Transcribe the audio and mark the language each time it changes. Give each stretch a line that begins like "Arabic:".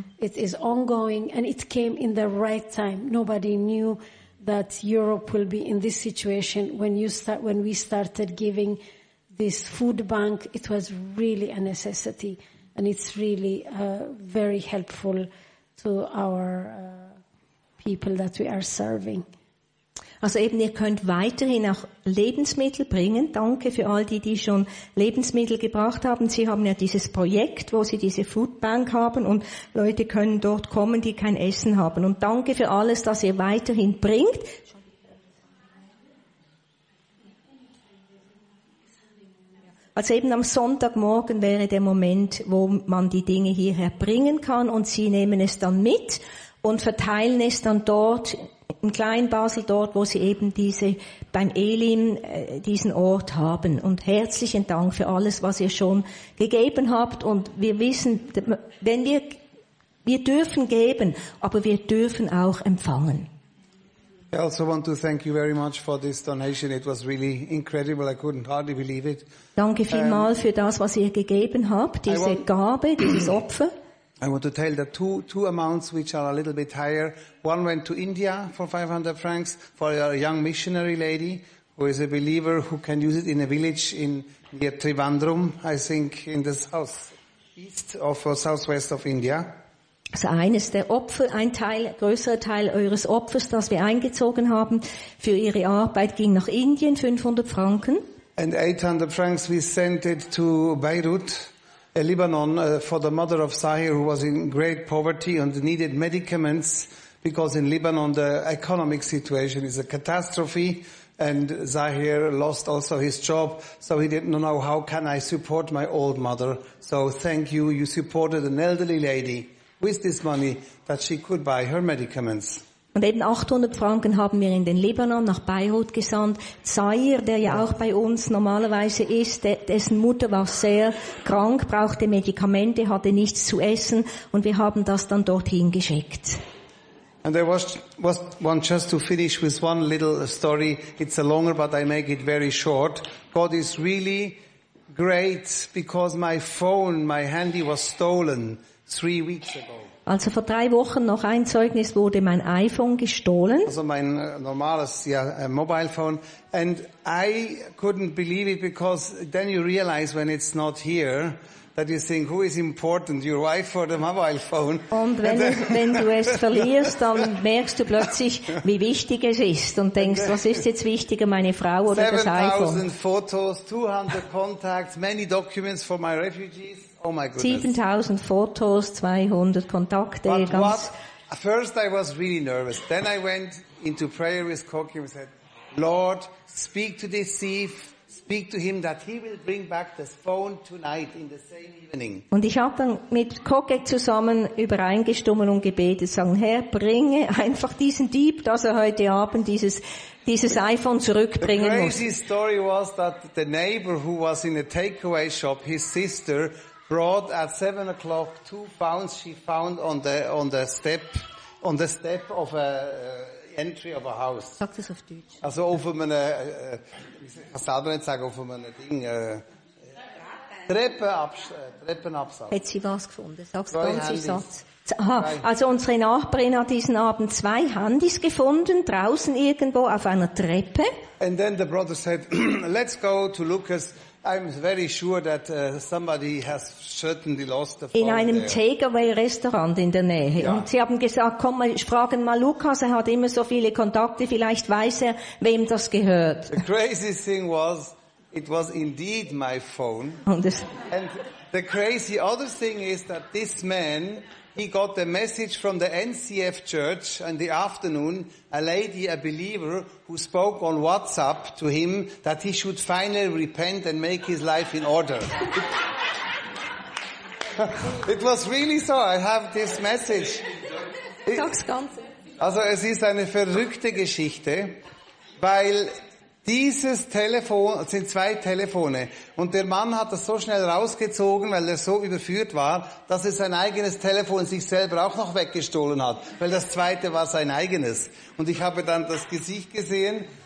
English: It is ongoing, and it came in the right time. Nobody knew that Europe will be in this situation when we started giving. this food bank. It was really a necessity, and it's really very helpful to our people that we are serving.
German: Also eben, ihr könnt weiterhin auch Lebensmittel bringen. Danke für all die, die schon Lebensmittel gebracht haben. Sie haben ja dieses Projekt, wo sie diese Foodbank haben und Leute können dort kommen, die kein Essen haben. Und danke für alles, dass ihr weiterhin bringt. Also eben am Sonntagmorgen wäre der Moment, wo man die Dinge hierher bringen kann und sie nehmen es dann mit und verteilen es dann dort in Kleinbasel, dort, wo sie eben diese, beim Elim, diesen Ort haben. Und herzlichen Dank für alles, was ihr schon gegeben habt. Und wir wissen, wenn wir dürfen geben, aber wir dürfen auch empfangen.
English: I also want to thank you very much for this donation. It was really incredible. I couldn't hardly believe it.
German: Danke vielmal für das, was ihr gegeben habt, diese Gabe, dieses Opfer.
English: I want to tell the two amounts which are a little bit higher. One went to India for 500 francs for a young missionary lady who is a believer who can use it in a village in near Trivandrum, I think, in the southeast of or southwest of India.
German: Also eines der Opfer, ein Teil, größerer Teil eures Opfers, das wir eingezogen haben für ihre Arbeit, ging nach Indien, 500 Franken.
English: And 800 francs we sent it to Beirut. Lebanon, for the mother of Sahir, who was in great poverty and needed medicaments, because in Lebanon the economic situation is a catastrophe, and Sahir lost also his job, so he didn't know how can I support my old mother. So thank you, you supported an elderly lady with this money that she could buy her medicaments.
German: Und eben 800 Franken haben wir in den Libanon nach Beirut gesandt. Zahir, der ja auch bei uns normalerweise ist, dessen Mutter war sehr krank, brauchte Medikamente, hatte nichts zu essen und wir haben das dann dorthin geschickt.
English: And there was one just to finish with one little story. It's a longer, but I make it very short. God is really great because my phone, my handy was stolen 3 weeks ago.
German: Also vor 3 Wochen noch ein Zeugnis, wurde mein iPhone gestohlen. Also mein normales Mobile Phone.
English: And I couldn't believe it, because then you realize when it's not here, that you think, who is important, your wife or the mobile phone?
German: Und wenn du es verlierst, dann merkst du plötzlich, wie wichtig es ist und denkst, was ist jetzt wichtiger, meine Frau oder das iPhone?
English: 7000 Fotos, 200 Contacts, many documents for my refugees. Oh my goodness.
German: 7000 Fotos, 200 Kontakte.
English: First I was really nervous. Then I went into prayer with Koki and said, Lord, speak to this thief, speak to him that he will bring back this phone tonight in the same evening.
German: Und ich habe dann mit Koki zusammen übereingestimmt und gebetet, sagen, Herr, bringe einfach diesen Dieb, dass er heute Abend dieses iPhone zurückbringen muss.
English: The crazy story was that the neighbor who was in a takeaway shop, his sister, brought at 7 o'clock 2 pounds she found on the step of a entry of a house.
German: Sagt es auf Deutsch. Also auf einem, ich kann selber nicht sagen, auf einem Ding, Treppenabsatz. Hat sie was gefunden? Sagst du ganz Satz. Aha, also unsere Nachbarin hat diesen Abend 2 Handys gefunden, draußen irgendwo auf einer Treppe.
English: And then the brother said, let's go to Lucas. I'm very sure that somebody has certainly lost the phone.
German: In einem Takeaway-Restaurant in der Nähe. Ja. Und sie haben gesagt, komm mal, fragen mal Lukas, er hat immer so viele Kontakte, vielleicht weiß er, wem das gehört.
English: The crazy thing was, it was indeed my phone. And the crazy other thing is that this man, he got a message from the NCF church in the afternoon, a lady, a believer, who spoke on WhatsApp to him that he should finally repent and make his life in order. It was really so, I have this message.
German: Also es ist eine verrückte Geschichte, weil dieses Telefon, es sind 2 Telefone, und der Mann hat das so schnell rausgezogen, weil er so überführt war, dass er sein eigenes Telefon sich selber auch noch weggestohlen hat, weil das zweite war sein eigenes. Und ich habe dann das Gesicht gesehen,